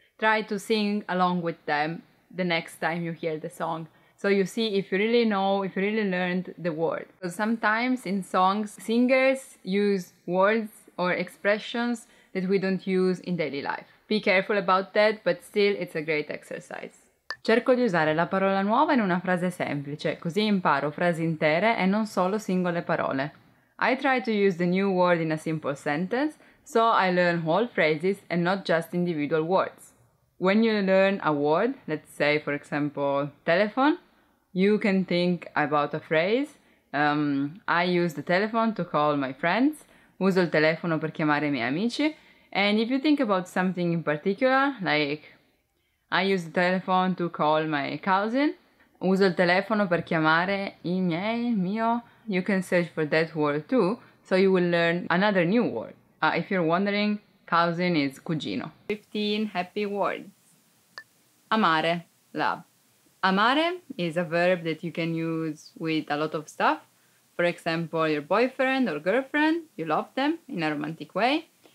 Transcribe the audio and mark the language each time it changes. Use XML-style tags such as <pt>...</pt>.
<en>Try to sing along with them the next time you hear the song, so you see if you really know, if you really learned the word. Because sometimes in songs, singers use words or expressions that we don't use in daily life. Be careful about that, but still it's a great exercise.</en> <it>Cerco di usare la parola nuova in una frase semplice, così imparo frasi intere e non solo singole parole.</it> <en>I try to use the new word in a simple sentence, so I learn whole phrases and not just individual words. When you learn a word, let's say for example telephone, you can think about a phrase. I use the telephone to call my friends.</en> <it>Uso il telefono per chiamare i miei amici.</it> <en>And if you think about something in particular, like I use the telephone to call my cousin.</en> <it>Uso il telefono per chiamare i miei, mio.</it> <en>You can search for that word too, so you will learn another new word. If you're wondering, cousin is cugino. 15 happy words. Amare, love. Amare is a verb that you can use with a lot of stuff. For example, your boyfriend or girlfriend, you love them in a romantic way.</en>